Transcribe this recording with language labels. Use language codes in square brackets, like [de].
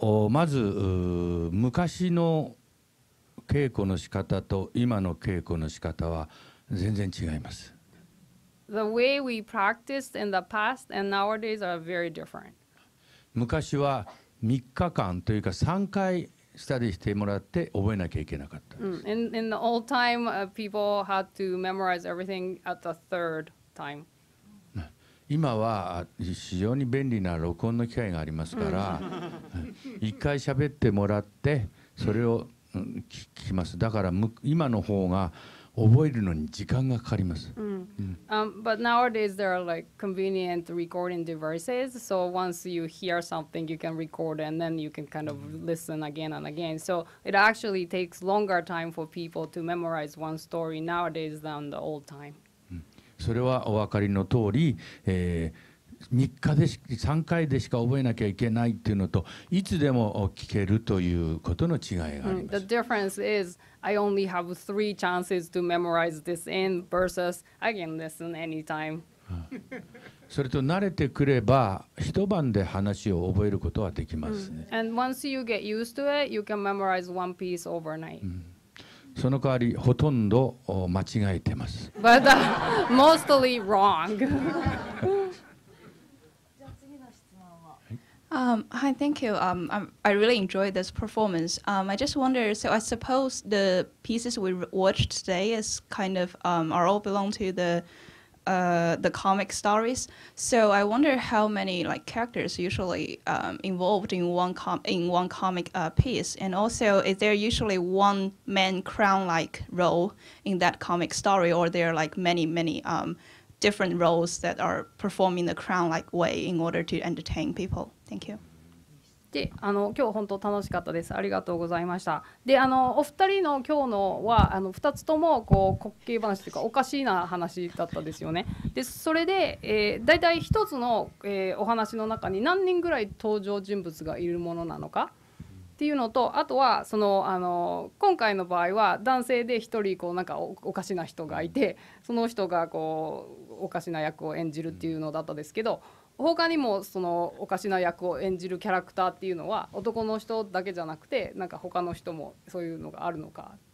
[ja] まず昔の稽古の仕方と今の稽古の仕方は全然違います。 [en] The way we practiced in the past and nowadays are very different. [ja] 昔は3日間というか3回スタディしてもらって覚えなきゃいけなかったです。 [en] In the old time, people had to memorize everything at the third time. [ja] 今は非常に便利な録音の機会がありますから、1回喋ってもらってそれを聞きます。だから今の方が覚えるのに時間がかかります。 [en] But nowadays there are like convenient recording devices, so once you hear something you can record and then you can kind of listen again and again, so it actually takes longer time for people to memorize one story nowadays than the old time. [ja] それはお分かりの通り、3日で3回でしか覚えなきゃいけないっていうのと、いつでも聞けるということの違いがあります。 [en] The difference is I only have three chances to memorize this in versus I can listen anytime. [ja] それと慣れてくれば一晩で話を覚えることはできますね。 [en] And once you get used to it, you can memorize one piece overnight. [ja] その代わりほとんど間違えてます。 [en] But mostly wrong. Hi, thank you. I really enjoyed this performance. I just wonder, so I suppose the pieces we watched today is kind of, are all belong to the comic stories. So I wonder how many like characters usually involved in one comic piece. And also, is there usually one main crown-like role in that comic story, or there are like many, many different roles that are performing the crown-like way in order to entertain people? Thank you. [ja] で、今日本当楽しかったです。ありがとうございました。で、お二人の今日のは、二つともこう滑稽話というかおかしいな話だったですよね。で、それで、大体一つの、お話の中に何人ぐらい登場人物がいるものなのかっていうのと、あとはその今回の場合は男性で一人こうなんか おかしな人がいて、その人がこうおかしな役を演じるっていうのだったですけど、他にもそのおかしな役を演じるキャラクターっていうのは男の人だけじゃなくて、なんか他の人もそういうのがあるのか。